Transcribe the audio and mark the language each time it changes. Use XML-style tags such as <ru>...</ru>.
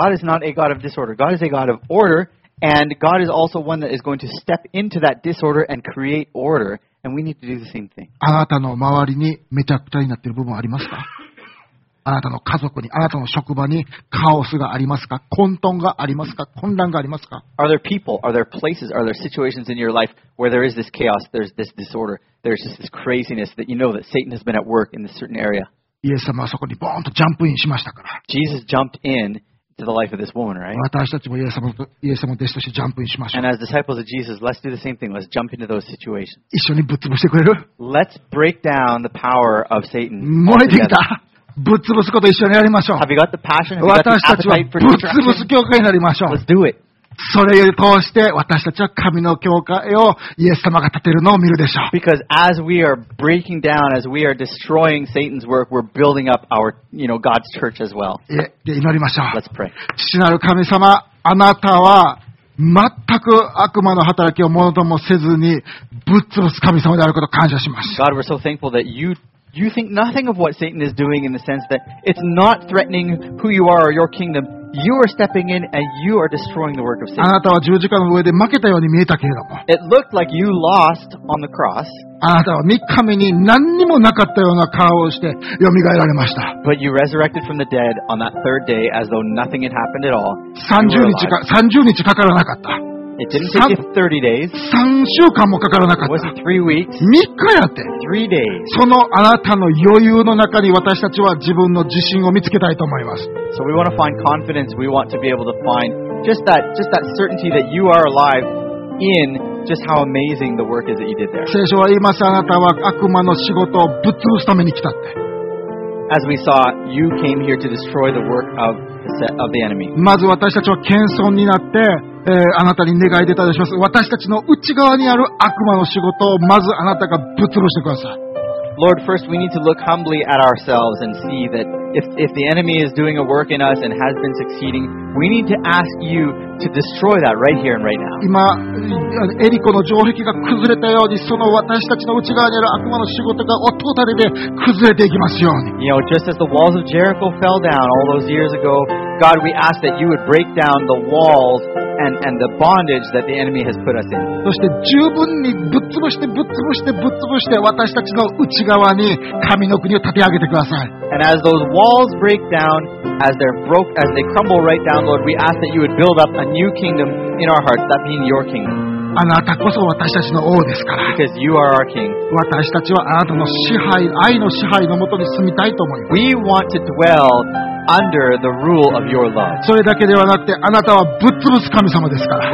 <en>God is not a God of disorder. God is a God of order. And God is also one that is going to step into that disorder and create order. And we need to do the same thing.</en> <ja>あなたの周りにめちゃくちゃになっている部分はありますか?あなたの家族に、あなたの職場にカオスがありますか? 混沌がありますか?混乱がありますか?</ja> <en>Are there people? Are there places? Are there situations in your life where there is this chaos? There's this disorder? There's just this craziness that you know that Satan has been at work in this certain area?</en> <ja>イエス様はそこにボーンとジャンプインしましたから。</ja> <en>Jesus jumped in to the life of this woman, right?</en> <ja>私たちもイエス様の弟子としてジャンプインしましょう。</ja> <en>And as disciples of Jesus, let's do the same thing. Let's jump into those situations.</en> <ja>一緒にぶっ潰してくれる?</ja> <en>Let's break down the power of Satan.</en> <ja>燃えてきた! ぶっ潰すこと一緒にやりましょう。私たちはぶっ潰す教会になりましょう。それを通して私たちは神の教会をイエス様が建てるのを見るでしょう。</ja> <en>Because as we are breaking down, as we are destroying Satan's work, we're building up our, you know, God's church as well.</en> <ja>祈りましょう。</ja> <en>Let's pray.</en> <ja>父なる神様、あなたは全く悪魔の働きをものともせずにぶっ潰す神様であることを感謝します。</ja> <en>God, we're so thankful that you think nothing of what Satan is doing in the sense that it's not threatening who you are or your kingdom. You are stepping in and you are destroying the work of Satan.</en> <ja>あなたは十字架の上で負けたように見えたけれども。</ja> <en>It looked like you lost on the cross.</en> <ja>あなたは三日目に何にもなかったような顔をして蘇られました。</ja> <en>But you resurrected from the dead on that third day as though nothing had happened at all.</en> <ja>30日かからなかった。</ja> <en>It didn't take you 30 days.</en> <ja>3週間もかからなかった。</ja> <en>It was 3 weeks.</en> <ja>3日やって。</ja> <en>3 days.</en> <ja>そのあなたの余裕の中に私たちは自分の自信を見つけたいと思います。</ja> <en>So we want to find confidence. We want to be able to find just that certainty that you are alive in just how amazing the work is that you did there.</en> <ja>聖書は言います。あなたは悪魔の仕事をぶっ潰すために来たって。</ja> <en>As we saw, you came here to destroy the work of the enemy.</en> <ja>まず私たちは謙遜になって、あなたに願い出たりします。私たちの内側にある悪魔の仕事をまずあなたがぶつぶしてください。</ja> <en>Lord, first we need to look humbly at ourselves and see that if the enemy is doing a work in us and has been succeeding, we need to ask you to destroy that right here and right now.</en> <ja>今、エリコの城壁が崩れたように、その私たちの内側にある悪魔の仕事が音たりで崩れていきますように。</ja> <en>You know, just as the walls of Jericho fell down all those years ago, God, we ask that you would break down the walls and the bondage that the enemy has put us in.</en> <ja>そして十分にぶっ潰してぶっ潰してぶっ潰して私たちの内側に神の国を立て上げてください。</ja> <en>And as those walls break down, as they crumble right down, Lord, we ask that you would build up a new kingdom in our hearts, that being your kingdom.</en> <ja>あなたこそ私たちの王ですから。</ja> <en>Because you are our king.</en> <ja>私たちはあなたの支配、愛の支配のもとに住みたいと思います。</ja> <en>We want to dwellUnder the rule of your love.</en> <ja>それだけではなくて、あなたはぶっ潰す神様ですから。</ja>